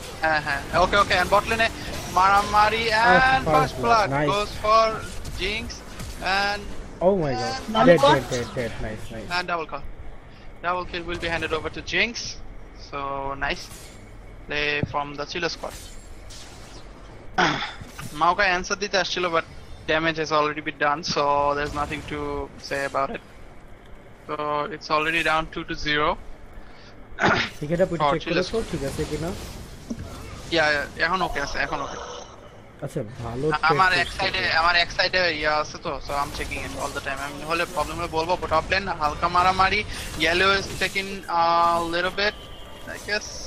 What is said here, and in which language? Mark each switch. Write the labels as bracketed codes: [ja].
[en] হ্যাঁ হ্যাঁ okay okay and bot লেনে মারামারি and first blood goes for Jinx and oh my god dead dead dead dead nice nice and double kill, double kill will be handed over to Jinx, so nice play from the Chillo squad. [bn] মাওকা answer দিতে আসছিল [en] But damage has already been done, so there's nothing to say about it, so it's already down 2-0. [bn] Ticket up with check করে সব ঠিক আছে কিনা? Yeah, এখন ওকে আছে, এখন ওকে আছে, ভালো। আমার এক সাইডে, আমার এক সাইডে ইয়া আছে তো, [en] So I am checking it all the time. [bn] আমি হলে প্রবলেম হলে বলবো, বাট অফ লেন হালকা মারামারি, [en] Yellow is taking a little bit I guess.